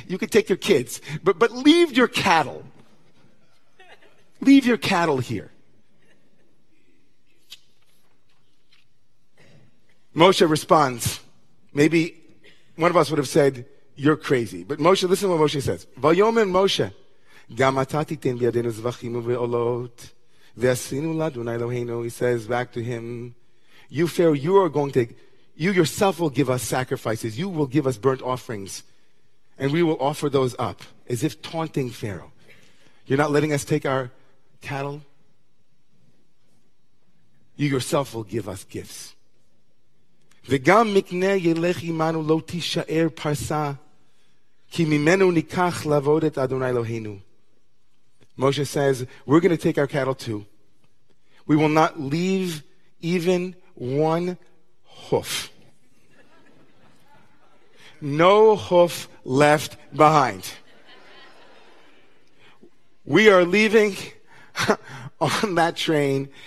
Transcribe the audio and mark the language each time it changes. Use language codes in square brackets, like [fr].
[en] You could take your kids, but leave your cattle. Leave your cattle here. Moshe responds. Maybe one of us would have said, you're crazy. But Moshe, listen to what Moshe says. Vayomer Moshe, [he] גם אתה תיתן בידינו זבחים ועולות. ועשינו לה, אדוני אלוהינו, [en] he says back to him, you Pharaoh, you are going to, you yourself will give us sacrifices. You will give us burnt offerings. And we will offer those up. As if taunting Pharaoh. You're not letting us take our cattle? You yourself will give us gifts. [he] וגם מקנה ילך עמנו לא תישאר פרסה, כי ממנו ניקח לעבוד את אדוני אלוהינו. [en] Moshe says, we're going to take our cattle too. We will not leave even one hoof. No hoof left behind. We are leaving on that train.